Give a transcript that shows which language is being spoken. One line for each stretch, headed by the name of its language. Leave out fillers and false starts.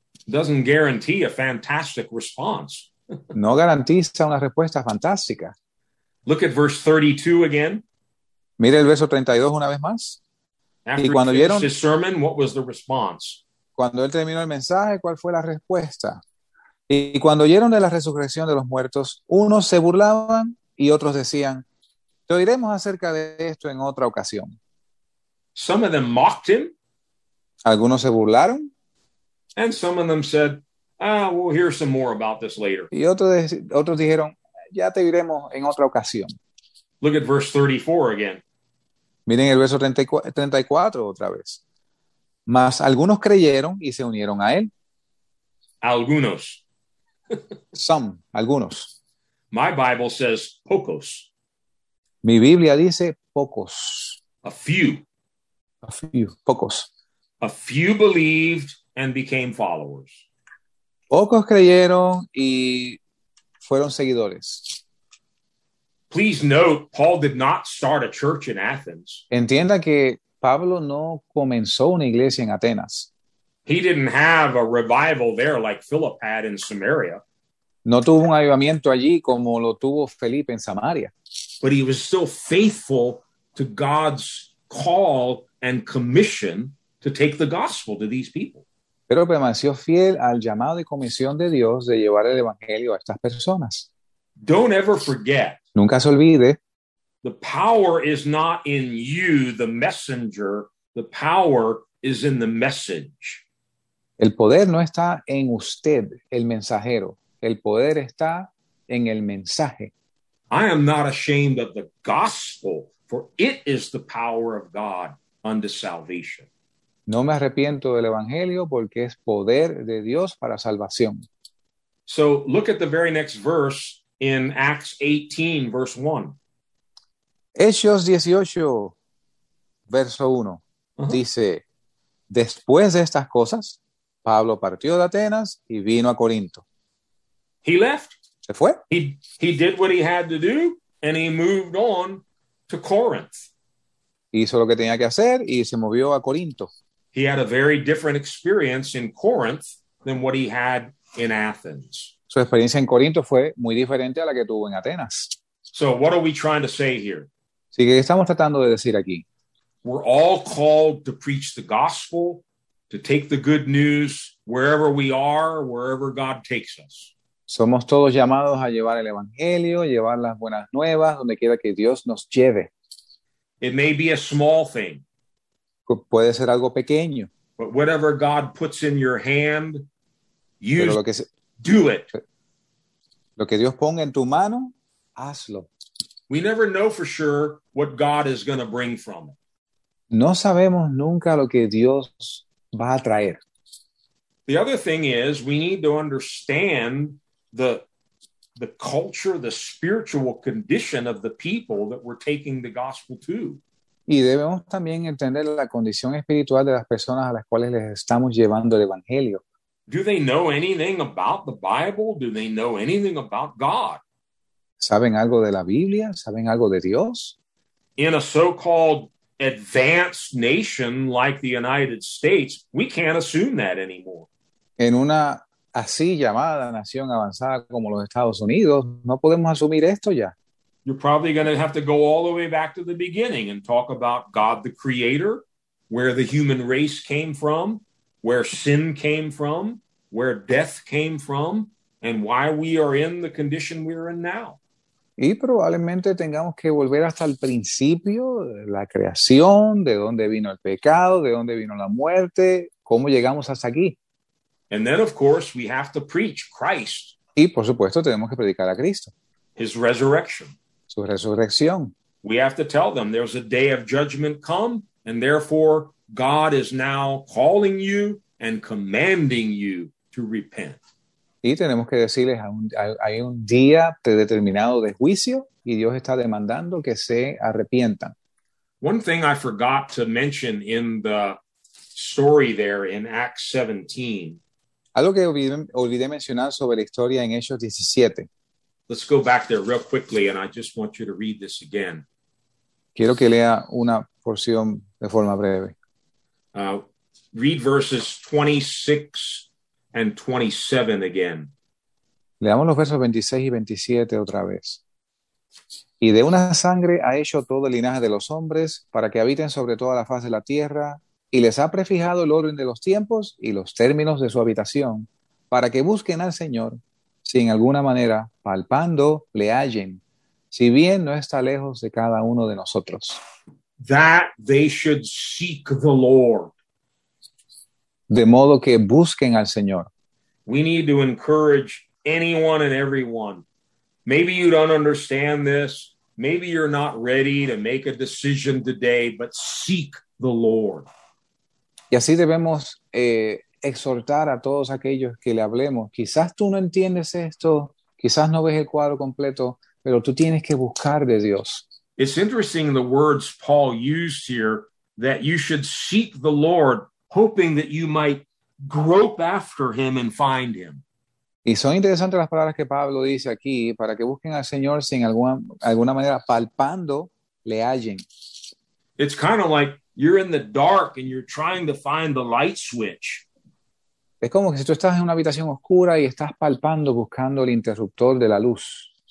English: Doesn't guarantee a fantastic response.
Spanish: No garantiza una respuesta fantástica.
English: Look at verse 32 again.
Spanish: Mire el verso 32 una vez más.
English: After
Spanish: y cuando vieron
English: his sermon, what was the response?
Spanish: Cuando él terminó el mensaje, ¿cuál fue la respuesta? Y cuando oyeron de la resurrección de los muertos, unos se burlaban y otros decían, te oiremos acerca de esto en otra ocasión.
English: Some of them mocked him.
Spanish: Algunos se burlaron.
English: And some of them said, ah, we'll hear some more about this later.
Spanish: Y otros dijeron, ya te oiremos en otra ocasión.
English: Look at verse 34 again.
Spanish: Miren el verso 34 otra vez. Mas algunos creyeron y se unieron a él. Algunos.
English: Some,
Spanish: algunos.
English: My Bible says
Spanish: pocos. Mi Biblia dice pocos.
English: A few. A few,
Spanish: pocos.
English: A few believed and became followers.
Spanish: Pocos creyeron y fueron seguidores.
English: Please note, Paul did not start a church in Athens.
Spanish: Entienda que Pablo no comenzó una iglesia en Atenas.
English: He didn't have a revival there like Philip had in Samaria.
Spanish: No tuvo un avivamiento allí como lo tuvo Felipe en Samaria.
English: But he was still faithful to God's call and commission to take the gospel to these people.
Spanish: Pero permaneció fiel al llamado y comisión de Dios de llevar el evangelio a estas personas.
English: Don't ever forget.
Spanish: Nunca se olvide.
English: The power is not in you, the messenger. The power is in the message.
Spanish: El poder no está en usted, el mensajero. El poder está en el mensaje.
English: I am not ashamed of the gospel, for it is the power of God unto salvation.
Spanish: No me arrepiento del evangelio porque es poder de Dios para salvación.
English: So look at the very next verse in Acts 18, verse 1.
Spanish: Hechos 18, verso 1, dice, después de estas cosas, Pablo partió de Atenas y vino a Corinto.
English: He left.
Spanish: Se fue.
English: He did what he had to do, and he moved on to Corinth.
Spanish: Hizo lo que tenía que hacer y se movió a Corinto.
English: He had a very different experience in Corinth than what he had in Athens.
Spanish: Su experiencia en Corinto fue muy diferente a la que tuvo en Atenas.
English: So what are we trying to say here?
Spanish: Sí, ¿qué estamos tratando de decir aquí?
English: We're all called to preach the gospel, to take the good news wherever we are, wherever God takes us.
Spanish: Somos todos llamados a llevar el evangelio, llevar las buenas nuevas, donde quiera que Dios nos lleve.
English: It may be a small thing.
Spanish: Puede ser algo pequeño.
English: But whatever God puts in your hand, you do it.
Spanish: Lo que Dios ponga en tu mano, hazlo.
English: We never know for sure what God is going to bring from it.
Spanish: No sabemos nunca lo que Dios va a traer.
English: The other thing is, we need to understand the culture, the spiritual condition of the people that we're taking the gospel to.
Spanish: Y debemos también entender la condición espiritual de las personas a las cuales les estamos llevando el evangelio.
English: Do they know anything about the Bible? Do they know anything about God?
Spanish: ¿Saben algo de la Biblia? ¿Saben algo de Dios?
English: In a so-called advanced nation like the United States, we can't assume that anymore.
Spanish: En una así llamada nación avanzada como los Estados Unidos, no podemos asumir esto ya.
English: You're probably going to have to go all the way back to the beginning and talk about God the Creator, where the human race came from, where sin came from, where death came from, and why we are in the condition we are in now.
Spanish: Y probablemente tengamos que volver hasta el principio, la creación, de dónde vino el pecado, de dónde vino la muerte, cómo llegamos hasta aquí.
English: And then, of course, we have to preach Christ.
Spanish: Y, por supuesto, tenemos que predicar a Cristo.
English: His resurrection.
Spanish: Su resurrección.
English: We have to tell them there's a day of judgment come, and therefore God is now calling you and commanding you to repent.
Spanish: Y tenemos que decirles, hay un día predeterminado de juicio y Dios está demandando que se arrepientan.
English: One thing I forgot to mention in the story there in Acts 17.
Spanish: Algo que olvidé mencionar sobre la historia en Hechos 17.
English: Let's go back there real quickly and I just want you to read this again.
Spanish: Quiero que lea una porción de forma breve.
English: Read verses 26 and 27 again.
Spanish: Leamos los versos 26 y 27 otra vez. Y de una sangre ha hecho todo el linaje de los hombres para que habiten sobre toda la faz de la tierra, y les ha prefijado el orden de los tiempos y los términos de su habitación para que busquen al Señor, si en alguna manera, palpando, le hallen, si bien no está lejos de cada uno de nosotros.
English: That they should seek the Lord.
Spanish: De modo que busquen al Señor.
English: We need to encourage anyone and everyone. Maybe you don't understand this. Maybe you're not ready to make a decision today, but seek the Lord.
Spanish: Y así debemos exhortar a todos aquellos que le hablemos. Quizás tú no entiendes esto, quizás no ves el cuadro completo, pero tú tienes que buscar de Dios.
English: It's interesting the words Paul used here, that you should seek the Lord, hoping that you might grope after him and find him.
Spanish: Y son interesantes las palabras que Pablo dice aquí, para que busquen al Señor sin alguna manera palpando, le hallen.
English: It's kind of like you're in the dark and you're trying to find the light switch.
Spanish: Es como que si tú estás en una habitación oscura y estás palpando, buscando el interruptor de la luz.